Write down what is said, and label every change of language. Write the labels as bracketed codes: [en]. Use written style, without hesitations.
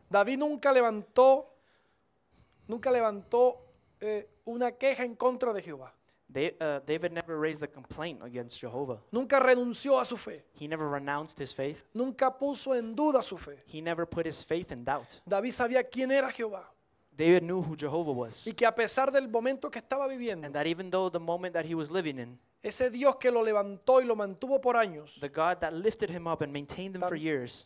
[es] David nunca levantó una queja en contra de Jehová. [en] David never raised a complaint against Jehovah. [es] Nunca renunció a su fe. [en] He never renounced his faith. [es] Nunca puso en duda su fe. [en] He never put his faith in doubt. [es] David sabía quién era Jehová. [en] David knew who Jehovah was. [es] Y que a pesar del momento que estaba viviendo. [en] And that even though the moment that he was living in. [es] Ese Dios que lo levantó y lo mantuvo por años. [en] The God that lifted him up and maintained him for years.